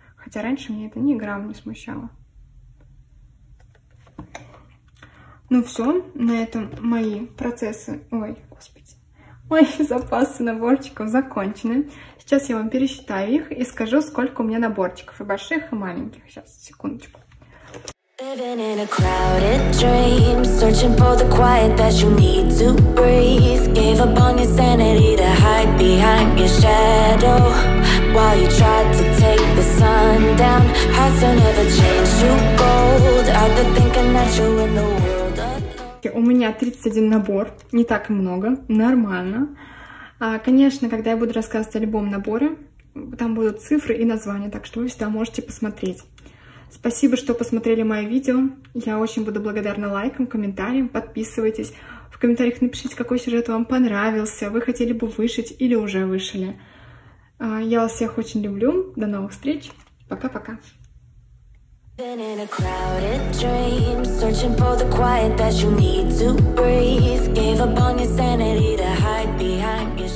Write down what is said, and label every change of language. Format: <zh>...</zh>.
<ru>Хотя раньше мне это ни грамм не смущало. Ну все, на этом мои процессы, ой, господи, Мои запасы наборчиков закончены. Сейчас я вам пересчитаю их и скажу, сколько у меня наборчиков, и больших, и маленьких. Сейчас, секундочку.</ru> <en>Living in a crowded dream, searching for the quiet that you need to breathe. Gave up on your sanity to hide behind your shadow. While you tried to take the sun down, hearts will never change to gold. I've been thinking that you were the world.</en> <ru>У меня 31 набор, не так много, нормально. Конечно, когда я буду рассказывать о любом наборе, там будут цифры и названия, так что вы всегда можете посмотреть. Спасибо, что посмотрели мое видео. Я очень буду благодарна лайкам, комментариям, подписывайтесь. В комментариях напишите, какой сюжет вам понравился, вы хотели бы вышить или уже вышили. Я вас всех очень люблю, до новых встреч, пока-пока.</ru> <en>In a crowded dream, searching for the quiet that you need to breathe. Gave up on your sanity to hide behind.</en>